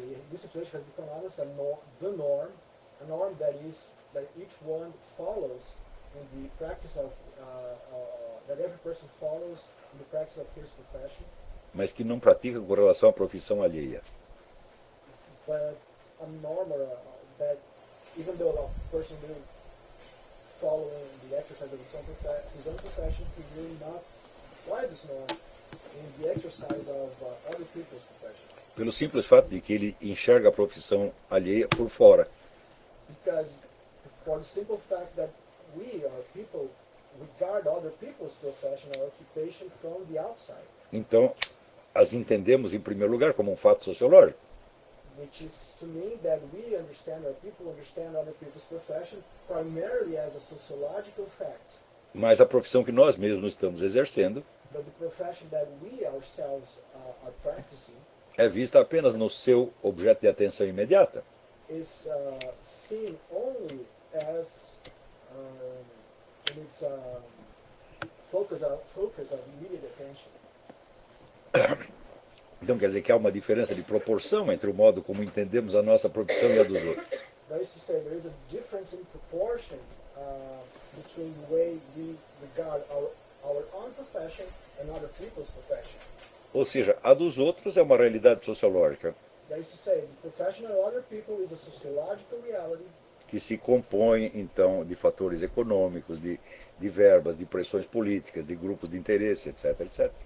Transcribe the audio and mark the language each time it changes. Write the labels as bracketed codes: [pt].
[en] discipline has become almost a norm, a norm that is that each one follows in the practice of that every person follows in the practice of his profession. [pt] Mas que não pratica com relação à profissão alheia. [en] But a norm or that even though a person will follow the exercise of his own profession, he will not apply this norm in the exercise of other people's profession. [pt] Pelo simples fato de que ele enxerga a profissão alheia por fora. [en] Because for the simple fact that we are people regard other people's profession or occupation from the outside. [pt] Então, as entendemos em primeiro lugar como um fato sociológico. [en] Which is to mean that we understand or people understand other people's profession primarily as a sociological fact. [pt] Mas a profissão que nós mesmos estamos exercendo, [en] but the profession that we ourselves are practicing, [pt] é vista apenas no seu objeto de atenção imediata. [en] Is seen only as in its focus of immediate attention. [pt] Então quer dizer que há uma diferença de proporção entre o modo como entendemos a nossa profissão e a dos outros. [en] That is to say, there is a difference in proportion between the way we regard our own profession and other people's profession. [pt] Ou seja, a dos outros é uma realidade sociológica. [en] That is to say, the profession of other people is a sociological reality. [pt] Que se compõe, então, de fatores econômicos, de verbas, de pressões políticas, de grupos de interesse, etc., etc.